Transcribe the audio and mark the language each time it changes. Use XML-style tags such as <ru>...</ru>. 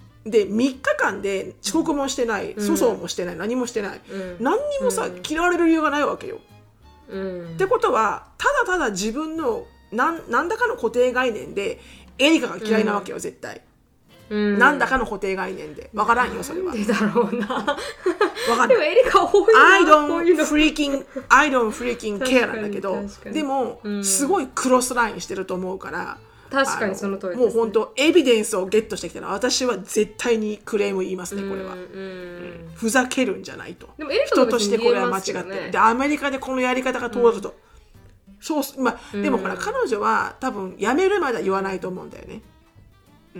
<ja>で3日間で遅刻もしてない、うん、訴訟もしてない、何もしてない、うん、何にもさ、うん、嫌われる理由がないわけよ、うん、ってことはただただ自分の何だかの固定概念でエリカが嫌いなわけよ、うん、絶対、うん、何だかの固定概念で分からんよそれは。なんでだろうな分かんない。でもエリカ多いな。</ja> <en>I don't freaking I don't freaking care</en> <ja>なんだけど、でも、うん、すごいクロスラインしてると思うから。確かにその通りです、ね、もう本当エビデンスをゲットしてきたら私は絶対にクレーム言いますね、これは、うん、ふざけるんじゃないと。でもエリカ、ね、人としてこれは間違ってる。でアメリカでこのやり方が通ると、うん、そう、まあ、でもほら、うん、彼女は多分辞めるまでは言わないと思うんだよね、う</ja>